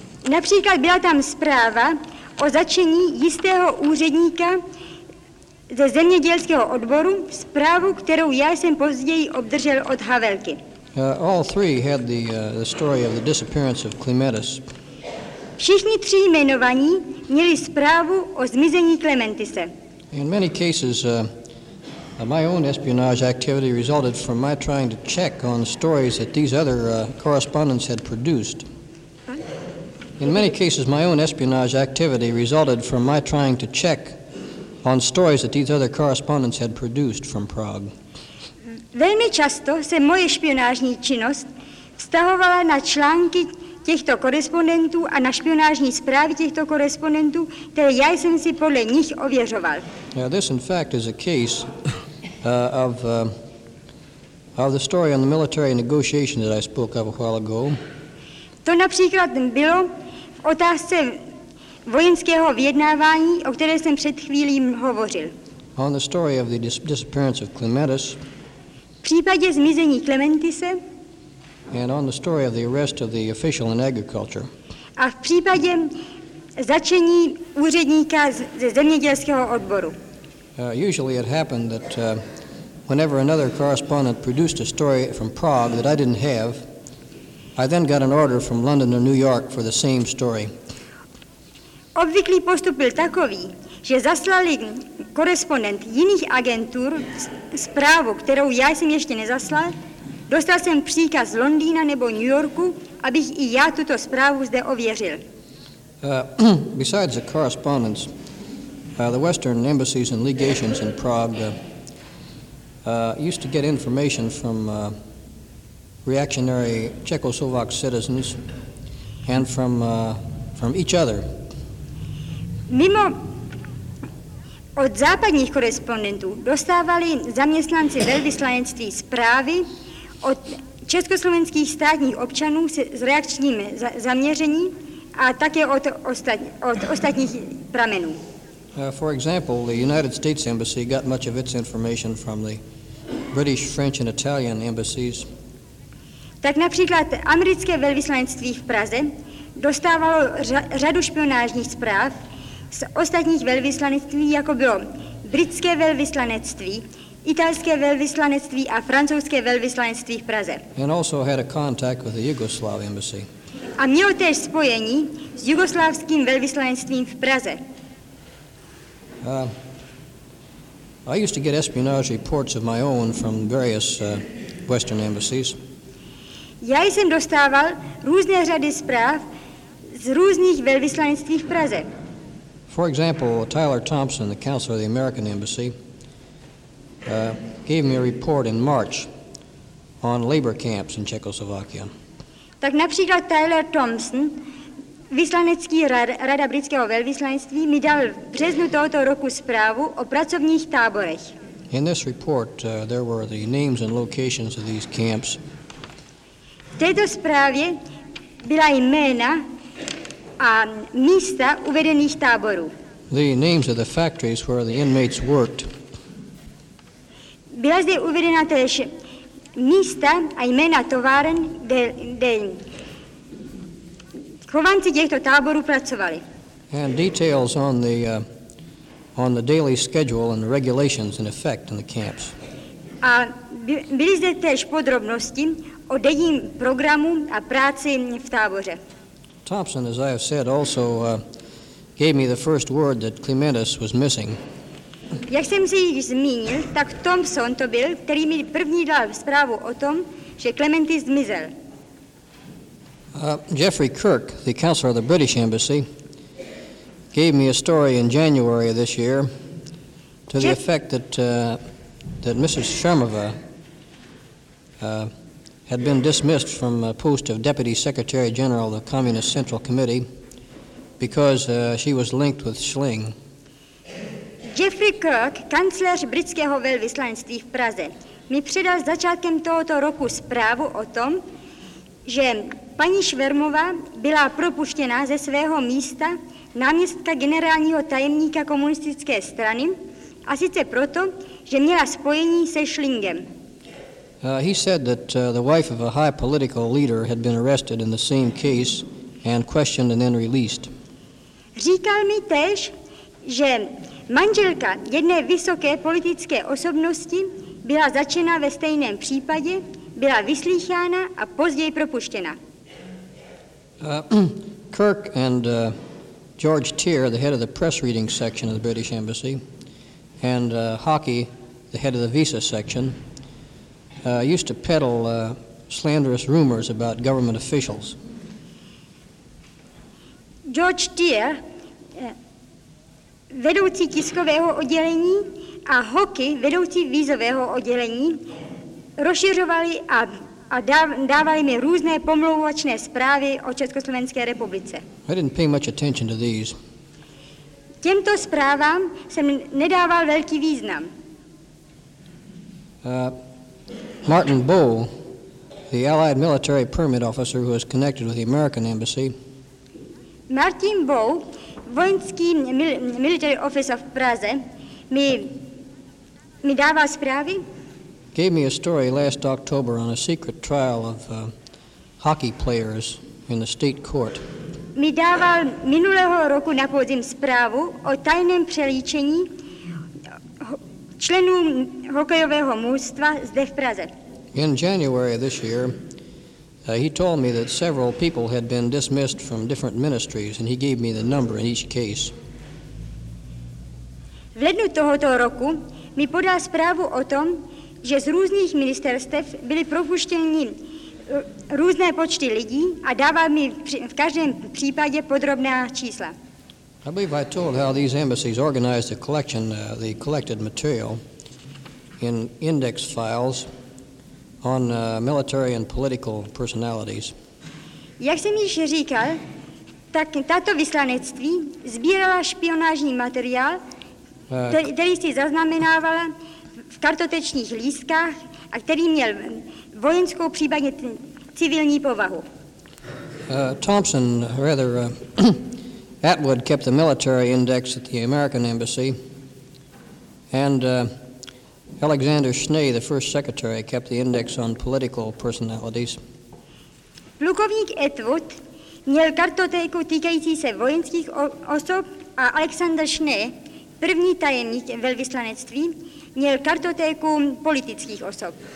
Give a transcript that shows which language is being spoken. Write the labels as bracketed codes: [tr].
[cs] Například byla tam zpráva o zatčení jistého úředníka ze zemědělského odboru, zprávu, kterou já jsem později obdržel od Havelky. [en] All three had the story of the disappearance of Clematis. [cs] Všichni tři jmenovaní měli zprávu o zmizení Clementise. [en] In many cases, my own espionage activity resulted from my trying to check on stories that these other correspondents had produced. In many cases, my own espionage activity resulted from my trying to check on stories that these other correspondents had produced from Prague. [cs] Velmi často se moje špionážní činnost vztahovala na články těchto korespondentů a na špionážní zprávy těchto korespondentů, které já jsem si podle nich ověřoval. [en] This in fact is a case of the story on the military negotiations that I spoke of a while ago. [cs] To například bylo v otázce vojenského vyjednávání, o které jsem před chvílí hovořil. [en] On the story of the disappearance of Clematis. [cs] V případě zmizení Clementise. [en] And on the story of the arrest of the official in agriculture. [cs] A v případě zatčení úředníka ze zemědělského odboru. [en] Usually it happened that whenever another correspondent produced a story from Prague that I didn't have, I then got an order from London or New York for the same story. [cs] Obvyklý postup byl takový, že zaslali korespondent jiných agentur zprávu, kterou já jsem ještě nezaslal, dostal jsem příkaz z Londýna nebo New Yorku, abych i já tuto zprávu zde ověřil. [en] Besides the correspondence, the Western embassies and legations in Prague used to get information from reactionary Czechoslovak citizens and from each other. [cs] Mimo od západních korespondentů dostávali zaměstnanci velvyslanectví zprávy od československých státních občanů s reakčním zaměřením a také od ostatních pramenů. [en] For example, the United States Embassy got much of its information from the British, French and Italian embassies. [cs] Tak například americké velvyslanectví v Praze dostávalo řadu špionážních zpráv z ostatních velvyslanectví, jako bylo britské velvyslanectví, italské velvyslanectví a francouzské velvyslanectví v Praze. [en] And also had a contact with the Yugoslav embassy. [cs] A mělo též spojení s jugoslávským velvyslanectvím v Praze. [en] I used to get espionage reports of my own from various Western embassies. [cs] Já jsem dostával různé řady zpráv z různých velvyslanectví v Praze. [en] For example, Tyler Thompson, the counselor of the American Embassy, gave me a report in March on labor camps in Czechoslovakia. [cs] Tak například Tyler Thompson, vyslanecký rada britského velvyslanectví, mi dal v březnu tohoto roku zprávu o pracovních táborech. [en] In this report, there were the names and locations of these camps. [cs] V této zprávě byla jména a místa uvedených táborů. [en] The names of the factories where the inmates worked. [cs] Byla zde uvedena též místa a jména továren, kde chovanci těchto táborů pracovali. [en] And details on the daily schedule and the regulations in effect in the camps. [cs] A byly zde též podrobnosti o denním programu a práci v táboře. [en] Thompson, as I have said, also gave me the first word that Clementis was missing. [cs] Jak jsem si již zmínil, tak Thompson to byl, který mi první dal zprávu o tom, že Clementis zmizel. [en] Jeffrey Kirk, the counselor of the British Embassy, gave me a story in January of this year to the effect that that Mrs. Shermova had been dismissed from the post of Deputy Secretary General of the Communist Central Committee because she was linked with Schling. [cs] Jeffrey Kirk, kancléř britského velvyslanectví v Praze, mi předal začátkem tohoto roku zprávu o tom, že paní Švermová byla propuštěna ze svého místa náměstka generálního tajemníka komunistické strany, a sice proto, že měla spojení se Schlingem. [en] He said that the wife of a high political leader had been arrested in the same case and questioned and then released. [cs] Říkal mi též, že manželka jedné vysoké politické osobnosti byla začena ve stejném případě, byla vyslýchána a později propuštěna. [en] Kirk and George Tier, the head of the press reading section of the British Embassy, and Hockey, the head of the visa section, used to peddle slanderous rumors about government officials. [cs] George Tier, vedoucí tiskového oddělení, a Hockey, vedoucí vízového oddělení, rozšiřovali a dávali mi různé pomlouvačné zprávy o Československé republice. [en] I didn't pay much attention to these. [cs] Těmto zprávám jsem nedával velký význam. [en] Martin Bowe, the Allied military permit officer who is connected with the American embassy. [cs] Martin Bowe, vojenský [en] military officer [cs] v Praze, mi dává zprávy. [en] Gave me a story last October on a secret trial of hockey players in the state court. [cs] Mi dával minulého roku na podzim zprávu o tajném přelíčení členů hokejového mužstva zde v Praze. [en] In January this year, he told me that several people had been dismissed from different ministries, and he gave me the number in each case. [cs] V lednu tohoto roku mi podal zprávu o tom, že z různých ministerstev byly propuštěni různé počty lidí a dává mi v každém případě podrobná čísla. [en] I believe I told how these embassies organized the collection, the collected material in index files on military and political personalities. [cs] Jak jsem již říkal, tak tato vyslanectví sbírala špionážní materiál, který si zaznamenávala v kartotečních lístkách a který měl vojenskou, případně civilní povahu. [en] Thompson, rather Atwood kept the military index at the American embassy, and Alexander Schnee, the first secretary, kept the index on political personalities. [cs] Plukovník Atwood měl kartotéku týkající se vojenských osob a Alexander Schnee, první tajemník velvyslanectví, měl kartotéku politických osob.